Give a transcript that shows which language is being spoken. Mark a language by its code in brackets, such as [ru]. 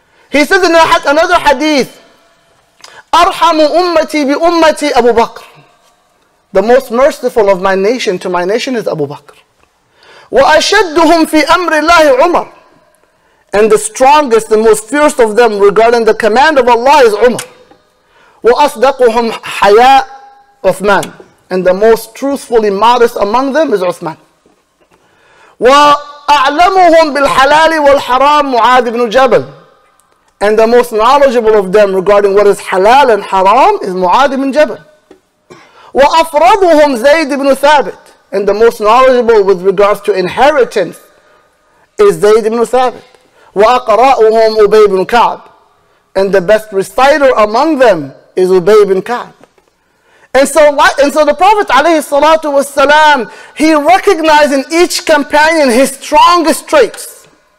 [en] He says in another hadith, Arhamu ummati bi ummati Abu Bakr. The most merciful of my nation to my nation is Abu Bakr. [ar] وَأَشَدُّهُمْ فِي أَمْرِ اللَّهِ عُمَرِ. [en] And the strongest, the most fierce of them regarding the command of Allah is Umar. [ar] وَأَصْدَقُهُمْ حَيَاءُ Uthman. [en] And the most truthfully modest among them is Uthman. [ar] وَأَعْلَمُهُمْ بِالْحَلَالِ وَالْحَرَامِ مُعَادِ بْنُ جَبَلِ. [en] And the most knowledgeable of them regarding what is halal and haram is Mu'ad ibn Jabal. [ar] وَأَفْرَضُهُمْ زَيْدْ ibn ثَابِتْ. [en] And the most knowledgeable with regards to inheritance is زَيْدْ ibn ثَابِتْ. وَأَقْرَأُهُمْ Ubay ibn كَعْبِ. And the best reciter among them is Ubay ibn كَعْبِ. And so the Prophet عليه الصلاة والسلام, he recognized in each companion his strongest traits.